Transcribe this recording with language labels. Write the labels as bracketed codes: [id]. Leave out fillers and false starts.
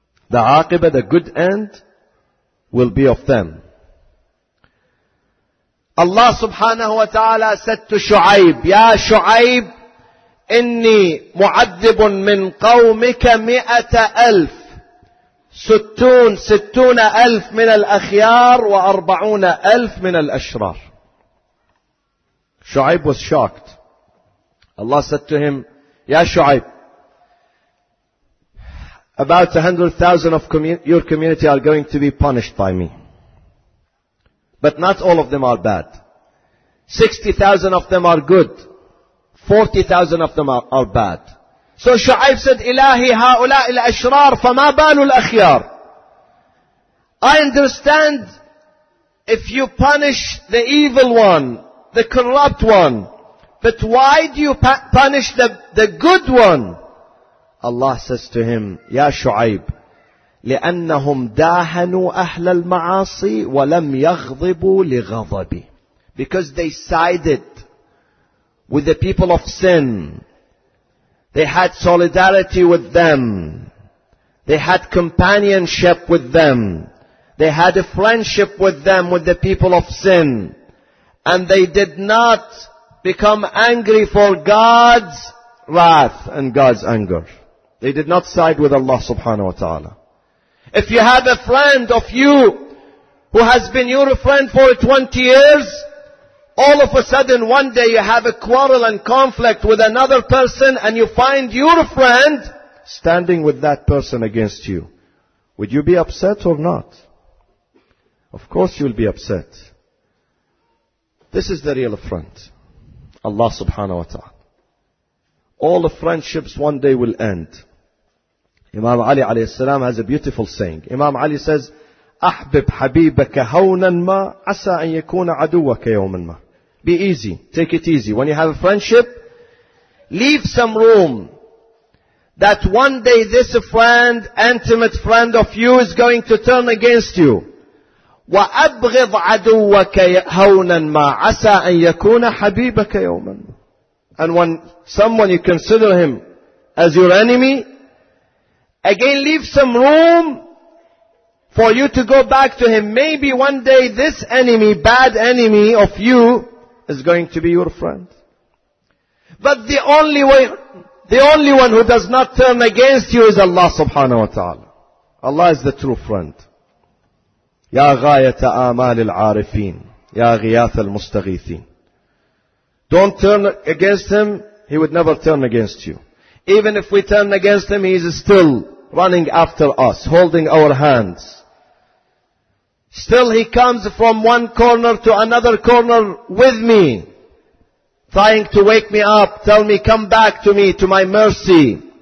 [en] The عَاقِبَة, the good end, will be of them. [ar] Allah subhanahu wa ta'ala [en] said to [ar] Shu'aib, يَا شُعَيْب, إِنِّي مُعَذِّبٌ مِّن قَوْمِكَ 100,000. 60,000 من الأخيار وأربعون ألف من الأشرار. [en] Shu'aib was shocked. Allah said to him, Ya Shu'aib, about 100,000 of your community are going to be punished by me. But not all of them are bad. 60,000 of them are good. 40,000 of them are bad. So Shu'aib said, [ar] إِلَهِ هَؤُلَاءِ الْأَشْرَارِ فَمَا بَالُ الْأَخْيَارِ. [en] I understand if you punish the evil one, the corrupt one, but why do you punish the good one? Allah says to him, [ar] يَا شُعَيْبُ لِأَنَّهُمْ دَاهَنُوا أَهْلَ الْمَعَاصِي وَلَمْ يَغْضِبُوا لِغَضَبِي. [en] Because they sided with the people of sin. They had solidarity with them. They had companionship with them. They had a friendship with them, with the people of sin. And they did not become angry for God's wrath and God's anger. They did not side with Allah subhanahu wa ta'ala. If you have a friend of you who has been your friend for 20 years, all of a sudden one day you have a quarrel and conflict with another person and you find your friend standing with that person against you, would you be upset or not? Of course you'll be upset. This is the real friend. Allah subhanahu wa ta'ala. All the friendships one day will end. Imam Ali alayhi salam has a beautiful saying. Imam Ali says, [ar] أحبب حبيبك هونا ما عسى أن يكون عدوك يوما ما. [en] Be easy. Take it easy. When you have a friendship, leave some room that one day this friend, intimate friend of you is going to turn against you. [ar] وَأَبْغِضْ عَدُوَّكَ هَوْنًا مَا عَسَىٰ أَنْ يَكُونَ حَبِيبَكَ يَوْمًا. [en] And when someone you consider him as your enemy, again leave some room for you to go back to him. Maybe one day this enemy, bad enemy of you, is going to be your friend. But the only one who does not turn against you is Allah subhanahu wa ta'ala. Allah is the true friend. [ar] يا غاية آمال العارفين يا غياث المستغيثين. [en] Don't turn against him, he would never turn against you. Even if we turn against him, he is still running after us, holding our hands. Still he comes from one corner to another corner with me, trying to wake me up, tell me, come back to me, to my mercy.